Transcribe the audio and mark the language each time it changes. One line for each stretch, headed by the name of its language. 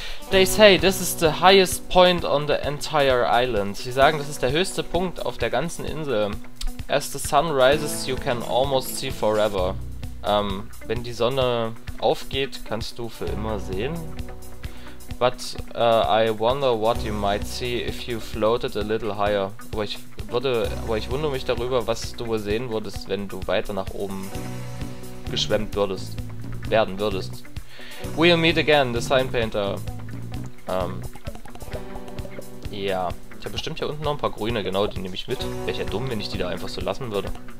English: They say this is the highest point on the entire island.
German: Sie sagen, das ist der höchste Punkt auf der ganzen Insel.
English: As the sun rises, you can almost see forever.
German: Wenn die Sonne aufgeht, kannst du für immer sehen.
English: But I wonder what you might see if you floated a little higher.
German: Aber ich wundere mich darüber, was du wohl sehen würdest, wenn du weiter nach oben geschwemmt würdest. Werden würdest.
English: We'll meet again, the sign painter.
German: Ja. Ich habe bestimmt hier unten noch ein paar grüne, genau, die nehme ich mit. Wäre ich ja dumm, wenn ich die da einfach so lassen würde.